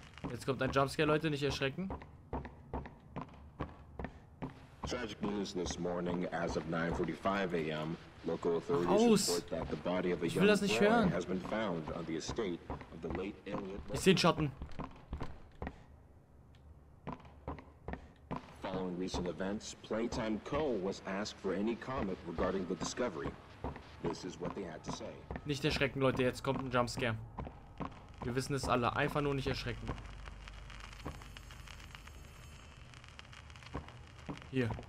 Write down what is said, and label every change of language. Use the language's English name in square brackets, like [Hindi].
[German] Jetzt kommt ein Jumpscare, Leute, nicht erschrecken. [English] Tragic news this morning, as of 9:45 a.m., local authorities report that the body of a young boy has been found on the estate of the late Elliot. [German] Ich seh den Schatten. [English] Following recent events, Playtime Co. was asked for any comment regarding the discovery. This is what they had to say. [German] Nicht erschrecken, Leute, jetzt kommt ein Jumpscare. Wir wissen es alle, einfach nur nicht erschrecken. Hier.